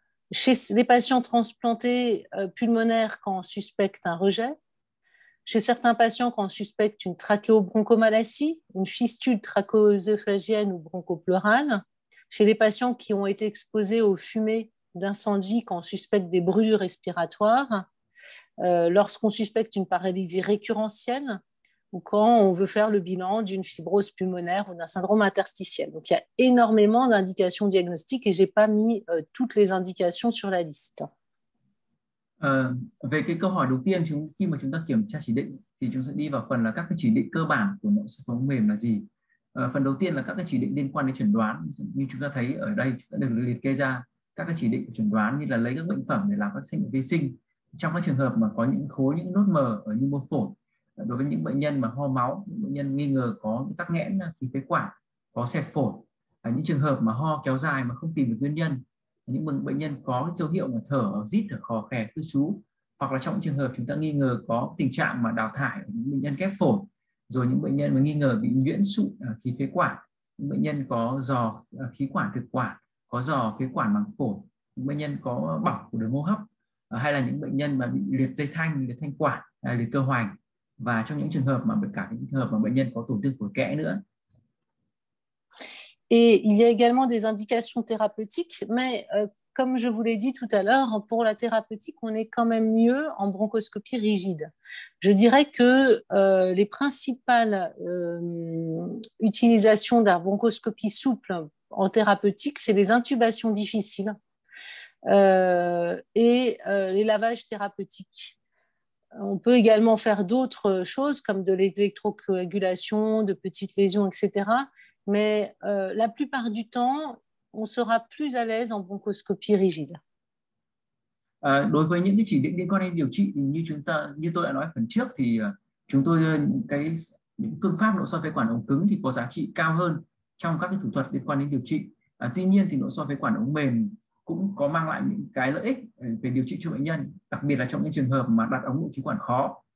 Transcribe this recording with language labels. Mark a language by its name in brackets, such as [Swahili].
[French] chez les patients transplantés pulmonaires quand on suspecte un rejet, chez certains patients quand on suspecte une trachéobronchomalacie, une fistule trachéoœsophagienne ou bronchopleurale, chez les patients qui ont été exposés aux fumées d'incendie quand on suspecte des brûlures respiratoires, lorsqu'on suspecte une paralysie récurrentielle ou quand on veut faire le bilan d'une fibrose pulmonaire ou d'un syndrome interstitiel. Donc, il y a énormément d'indications diagnostiques et je n'ai pas mis toutes les indications sur la liste. [Vietnamese] Về cái câu hỏi đầu tiên, khi mà chúng ta kiểm tra chỉ định thì chúng sẽ đi vào phần là các cái chỉ định cơ bản của nội soi ống mềm là gì. Phần đầu tiên là các cái chỉ định liên quan đến chẩn đoán. Như chúng ta thấy ở đây chúng ta được liệt kê ra các cái chỉ định chẩn đoán như là lấy các bệnh phẩm để làm các xét nghiệm vi sinh. Trong các trường hợp mà có những khối, những nốt mờ ở nhu mô phổi, đối với những bệnh nhân mà ho máu, những bệnh nhân nghi ngờ có tắc nghẽn khí phế quản, có xẹp phổi, những trường hợp mà ho kéo dài mà không tìm được nguyên nhân, những bệnh nhân có dấu hiệu mà thở rít, thở khò khè, thư sú, hoặc là trong trường hợp chúng ta nghi ngờ có tình trạng mà đào thải ở những bệnh nhân ghép phổi, rồi những bệnh nhân mà nghi ngờ bị nhuyễn sụn khí phế quản, những bệnh nhân có dò khí quản thực quản, có dò phế quản màng phổi, những bệnh nhân có bỏng của đường hô hấp, hay là những bệnh nhân mà bị liệt dây thanh, liệt thanh quản, liệt cơ hoành, và trong những trường hợp mà cả những trường hợp mà bệnh nhân có tổn thương phổi kẽ nữa. [French] Et il y a également des indications thérapeutiques, mais comme je vous l'ai dit tout à l'heure, pour la thérapeutique, on est quand même mieux en bronchoscopie rigide. Je dirais que les principales utilisations d'un bronchoscopie souple en thérapeutique, c'est les intubations difficiles et les lavages thérapeutiques. On peut également faire d'autres choses, comme de l'électrocoagulation, de petites lésions, etc., mais la plupart du temps, on sera plus à l'aise en bronchoscopie rigide. [Vietnamese] Đối với những chỉ định liên quan đến điều trị như chúng ta, như tôi đã nói phần trước thì chúng tôi cái những phương pháp nội soi phế quản ống cứng thì có giá trị cao hơn trong các cái thủ thuật liên quan đến điều trị. Tuy nhiên thì nội soi phế quản ống mềm cũng có mang lại những cái lợi ích về điều trị cho bệnh nhân, đặc biệt là trong những trường hợp mà đặt ống nội khí quản khó.